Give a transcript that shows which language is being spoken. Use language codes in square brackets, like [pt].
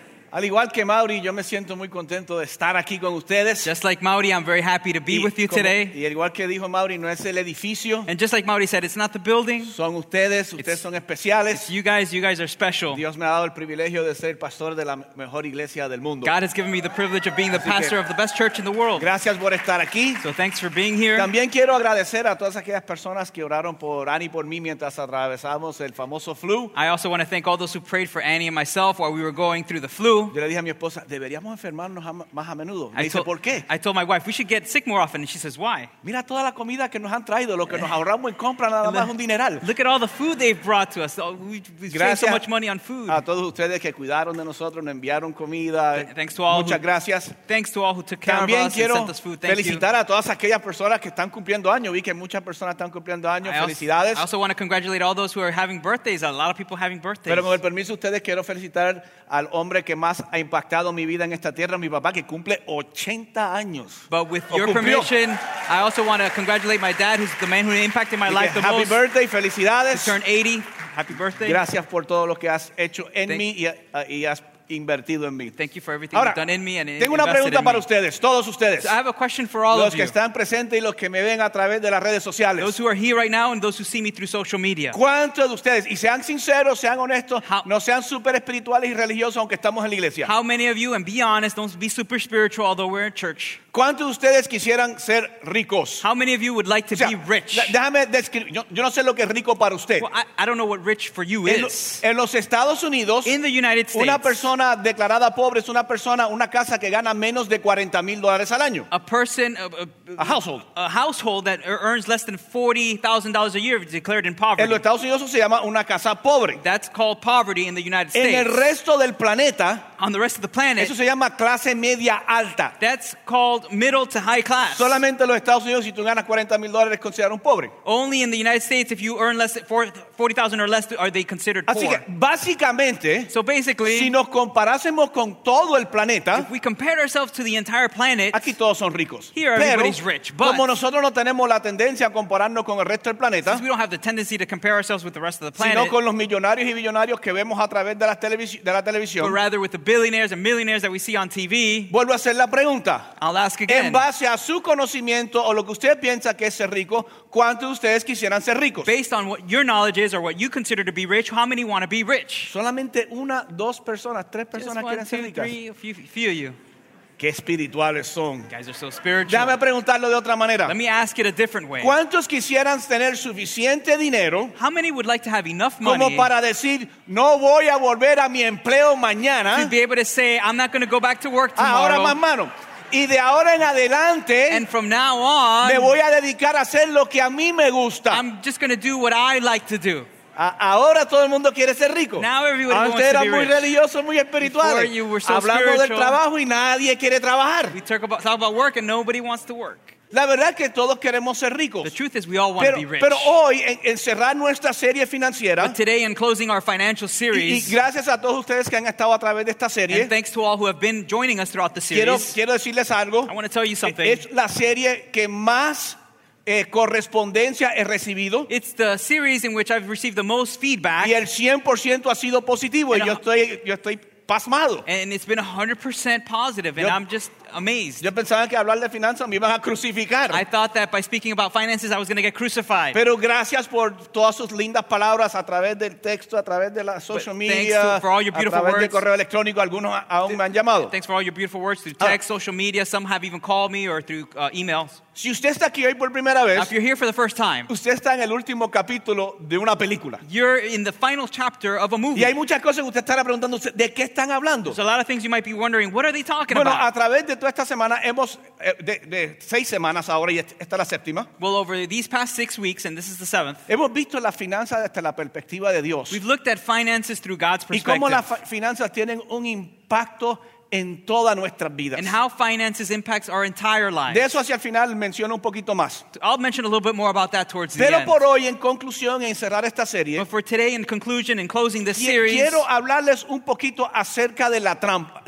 [es] Al igual que Mauri, yo me siento muy contento de estar aquí con ustedes. [en] Just like Mauri, I'm very happy to be with you today. [es] Y al igual que dijo Mauri, no es el edificio. [en] And just like Mauri said, it's not the building. [es] Son ustedes, ustedes son especiales. [en] It's you guys are special. [es] Dios me ha dado el privilegio de ser pastor de la mejor iglesia del mundo. [en] God has given me the privilege of being the pastor of the best church in the world. [es] Gracias por estar aquí. [en] So thanks for being here. [es] También quiero agradecer a todas aquellas personas que oraron por Annie y por mí mientras atravesamos el famoso flu. [en] I also want to thank all those who prayed for Annie and myself while we were going through the flu. [es] Yo le dije a mi esposa, deberíamos enfermarnos más a menudo. Me dice, ¿por qué? [en] I told my wife, we should get sick more often. And she says, why? [es] Mira toda la comida que nos han traído, lo que nos ahorramos en compra, nada más un dineral. [en] Look at all the food they've brought to us. We spent so much money on food. [es] A todos ustedes que cuidaron de nosotros, nos enviaron comida. [en] Thanks to all [es] Muchas gracias. [en] Thanks to all who took care [es] También [en] of us [es] quiero [en] and sent us food. Thank [es] felicitar [en] you. [es] A todas aquellas personas que están cumpliendo años. Vi que muchas personas están cumpliendo años. Felicidades. [en] I also want to congratulate all those who are having birthdays. A lot of people having birthdays. [es] Pero con el permiso de ustedes, quiero felicitar al hombre que más ha impactado mi vida en esta tierra, mi papá, que cumple 80 años. [en] But with your permission, I also want to congratulate my dad, who's the man who impacted my life the happy most. Happy birthday, [es] felicidades. [en] He turned 80. Happy birthday. [es] Gracias por todo lo que has hecho en mí y has invertido en mí. [en] Thank you for everything you've done in me and invested in me. [es] Tengo una pregunta para ustedes, todos ustedes. [en] So I have a question for all of you. [es] Los que están presentes y los que me ven a través de las redes sociales. [en] Those who are here right now and those who see me through social media. [es] ¿Cuántos de ustedes, y sean sinceros, sean honestos, no sean super espirituales y religiosos aunque estamos en la iglesia? [en] How many of you, and be honest, don't be super spiritual although we're in church. [es] ¿Cuántos de ustedes quisieran ser ricos? [en] How many of you would like to be rich? [es] Déjame describir. Yo no sé lo que es rico para usted. [en] Well, I don't know what rich for you is. [es] En los Estados Unidos, [en] in the United States, [es] una persona declarada pobre es una persona, una casa que gana menos de $40,000 al año. [en] A person, a household. A household that earns less than $40,000 a year is declared in poverty. [es] En los Estados Unidos eso se llama una casa pobre. [en] That's called poverty in the United States. [es] En el resto del planeta, [en] on the rest of the planet, [es] eso se llama clase media alta. [en] That's called middle to high class. [es] Solamente los Estados Unidos, si tú ganas $40,000, es considerado un pobre. [en] Only in the United States, if you earn less than $40,000 or less, are they considered poor. [es] Así que, básicamente, [en] so basically, [es] si nos comparásemos con todo el planeta, [en] if we compare ourselves to the entire planet, [es] aquí todos son ricos. [en] Here everybody's rich, but [es] como nosotros no tenemos la tendencia a compararnos con el resto del planeta, [en] since we don't have the tendency to compare ourselves with the rest of the planet, [es] sino con los millonarios y billonarios que vemos a través de la televisión, [en] but rather with the billionaires and millionaires that we see on TV, [es] vuelvo a hacer la pregunta. [en] Ask again. [es] En base a su conocimiento o lo que usted piensa que es ser rico, ¿cuántos de ustedes quisieran ser ricos? [en] Based on what your knowledge is or what you consider to be rich, how many want to be rich? [es] Solamente una, dos personas, tres personas [en] one, [es] quieren [en] two, [es] ser ricas. [en] Just few of you. [es] Qué espirituales son. [en] You guys are so spiritual. [es] Déjame preguntarlo de otra manera. [en] Let me ask it a different way. [es] ¿Cuántos quisieran tener suficiente dinero? [en] How many would like to have enough money? [es] Como para decir, no voy a volver a mi empleo mañana. [en] To be able to say, I'm not going to go back to work tomorrow. [es] Ahora más mano. Y de ahora en adelante, [en] and from now on, [es] me voy a dedicar a hacer lo que a mí me gusta. [en] I'm just going to do what I like to do. [es] Ahora todo el mundo quiere ser rico. [en] Now everybody wants to be rich. [es] Antes eran muy religiosos, muy espirituales. [en] Before you were so spiritual. [es] Hablando del trabajo y nadie quiere trabajar. [en] We talk about work and nobody wants to work. [es] La verdad es que todos queremos ser ricos. [en] The truth is we all want [es] pero, [en] to be rich. [es] Pero hoy, en cerrar nuestra serie financiera, [en] but today, in closing our financial series, [es] y gracias a todos ustedes que han estado a través de esta serie, [en] and thanks to all who have been joining us throughout the series, [es] quiero decirles algo. [en] I want to tell you something. [es] Es la serie que más correspondencia he recibido. [en] It's the series in which I've received the most feedback. [es] Y el 100% ha sido positivo. [en] And [es] yo estoy pasmado. [en] And it's been 100% positive, and I'm just amazed. [es] Yo pensaba que hablar de finanzas me iban a crucificar. [en] I thought that by speaking about finances I was going to get crucified. [es] Pero gracias por todas sus lindas palabras a través del texto, a través de la [en] social media, for all your beautiful [es] a través [en] words. [es] De correo electrónico, algunos aún me han llamado. [en] Thanks for all your beautiful words through text, social media, some have even called me or through emails. [es] Si usted está aquí hoy por primera vez, [en] now, if you're here for the first time, [es] usted está en el último capítulo de una película. [en] You're in the final chapter of a movie. [es] Y hay muchas cosas que usted estará preguntando, ¿de qué están hablando? [en] There's a lot of things you might be wondering, what are they talking [es] bueno, [en] about? [es] A través de esta semana hemos de seis semanas ahora y esta es la séptima. [en] Well, over these past 6 weeks and this is the seventh. [es] Hemos visto las finanzas desde la perspectiva de Dios. [en] We've looked at finances through God's perspective. [es] Y cómo las finanzas tienen un impacto en toda nuestra vida. [en] And how finances impacts our entire lives. [es] De eso hacia el final menciono un poquito más. [en] I'll mention a little bit more about that towards [es] Pero [en] the end. [es] Pero por hoy en conclusión en cerrar esta serie. [en] But for today in conclusion and closing this series. [es] Quiero hablarles un poquito acerca de la trampa.